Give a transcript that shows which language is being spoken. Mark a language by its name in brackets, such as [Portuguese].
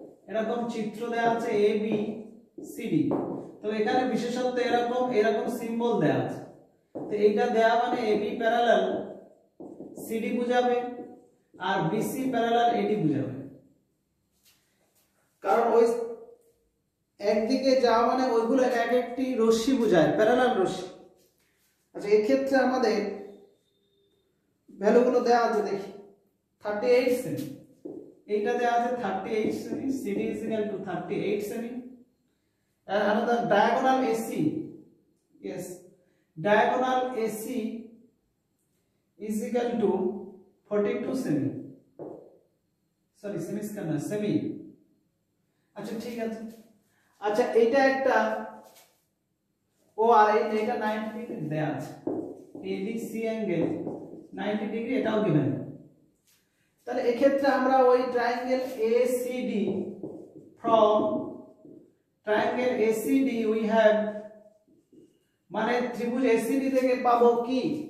[Bangla] এরকম চিত্র দেওয়া আছে এ বি সিডি, তো এখানে বিশেষত্ব এরকম এরকম সিম্বল দেওয়া আছে, তো এইটা দেওয়া মানে এ বি প্যারালাল সিডি বুঝাবে আর বিসি প্যারালাল এডি বুঝাবে, কারণ ওই একদিকে যাওয়া মানে ওইগুলো এক একটি রশ্মি বোঝায় প্যারালাল রশ্মি। আচ্ছা এক্ষেত্রে আমাদের ভ্যালুগুলো দেওয়া আছে দেখি, 38 সেমি, এইটা দেওয়া আছে 38 semi, [English] CD is equal to 38 semi, another diagonal AC. Yes, diagonal AC is equal to 42 semi. Sorry, semi is not semi. [Hindi] अच्छा ठीक है अच्छा अच्छा [Bangla] এটা একটা ও আর এই এটা 90 ডিগ্রি দেয়া আছে ABC অ্যাঙ্গেল 90 ডিগ্রি এটাও গিভেন তাহলে এই ক্ষেত্রে আমরা ওই triangle ACD from triangle ACD [English] we have [Bangla] মানে ত্রিভুজ ACD থেকে পাবো কি